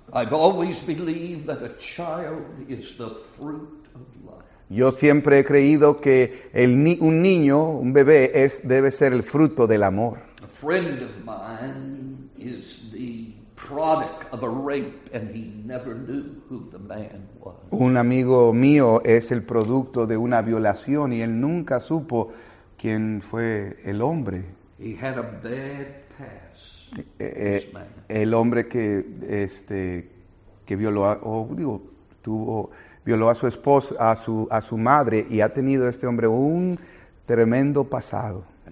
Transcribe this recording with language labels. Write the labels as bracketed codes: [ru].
[en] I've always believed that a child is the fruit. [es] Yo siempre he creído que un niño, un bebé, debe ser el fruto del amor. [en] A friend of mine is the product of a rape and he never knew who the man was. [es] Un amigo mío es el producto de una violación y él nunca supo quién fue el hombre. [en] He had a bad past, this man. [es] El hombre que que violó violó a su esposa, a su madre, y ha tenido este hombre un tremendo pasado.